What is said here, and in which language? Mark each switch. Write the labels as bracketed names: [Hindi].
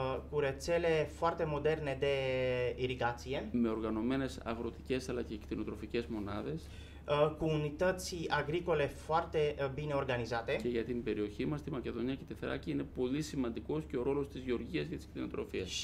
[Romanian] Cu rețele foarte moderne de irigație. [Greek] Με οργανωμένες αγροτικές αλλά και κτηνοτροφικές μονάδες. [Romanian] Cu unități agricole foarte bine organizate. [Greek] Και για την περιοχή μας, τη Μακεδονία και τη Θράκη, είναι πολύ σημαντικός και ο ρόλος της γεωργίας και της κτηνοτροφίας.